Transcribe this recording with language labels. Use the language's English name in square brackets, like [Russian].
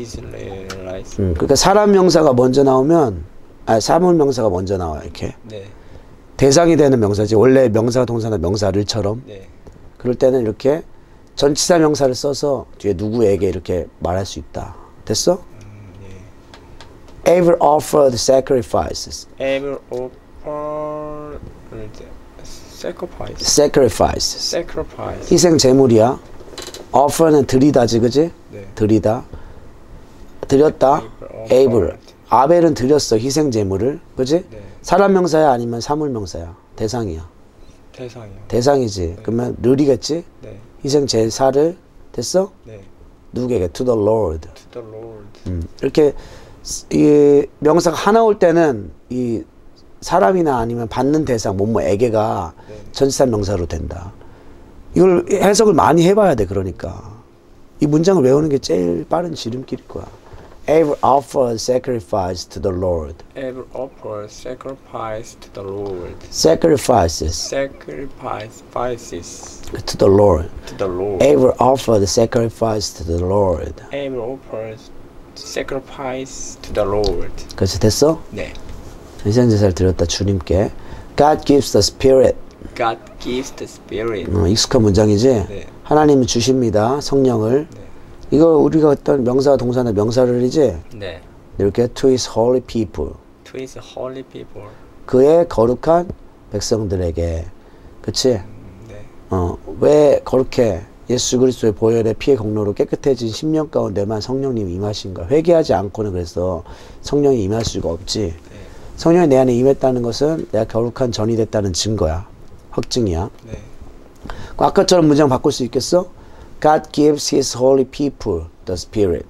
[English] Israelites. [Korean] 그러니까 사람 명사가 먼저 나오면, 아니, 사물 명사가 먼저 나와, 이렇게. 네. 대상이 되는 명사지. 원래 명사 동사나 명사를처럼. 네. 그럴 때는 이렇게 전치사 명사를 써서 뒤에 누구에게 이렇게 말할 수 있다. 됐어? [English] Ever offered sacrifices. Ever offered sacrifice. Sacrifices. Sacrifice. [Korean] 희생 제물이야. Offer는 드리다지, 그지? 네. 드리다. 드렸다. 에이블. 아벨은 드렸어. 희생 제물을. 그렇지? 네. 사람 명사야 아니면 사물 명사야? 대상이야. 대상이요. 대상이지. 네. 그러면 룰이겠지? 네. 희생 제사를 됐어? 네. 누구에게? [English] To the Lord. To the Lord. [Korean] 이렇게 이 명사가 하나 올 때는 이 사람이나 아니면 받는 대상 뭐뭐에게가 네. 전치사 명사로 된다. 이걸 해석을 많이 해봐야 돼. 그러니까 이 문장을 외우는 게 제일 빠른 지름길일 거야. [English] Abel offered sacrifice to the Lord. Abel offered sacrifice to the Lord. Sacrifices. Sacrifices. To the Lord. To the Lord. Abel offered sacrifice to the Lord. Abel offered sacrifice to the Lord. [Korean] 그렇지 됐어? 네. 희생제사를 드렸다 주님께. [English] God gives the Spirit. God gives the Spirit. [Korean] 익숙한 문장이지? 네. 하나님이 주십니다 성령을. 네. 이거 우리가 어떤 명사 동사나 명사를 이제 네. 이렇게 [English] to his holy people. To his holy people. [Korean] 그의 거룩한 백성들에게. 그렇지? 네. 왜 거룩해? 예수 그리스도의 보혈의 피의 공로로 깨끗해진 심령 가운데만 성령님이 임하신가? 회개하지 않고는 그래서 성령이 임할 수가 없지. 네. 성령이 내 안에 임했다는 것은 내가 거룩한 전이 됐다는 증거야. 확증이야. 네. 아까처럼 문장 바꿀 수 있겠어? [English] God gives his holy people the spirit.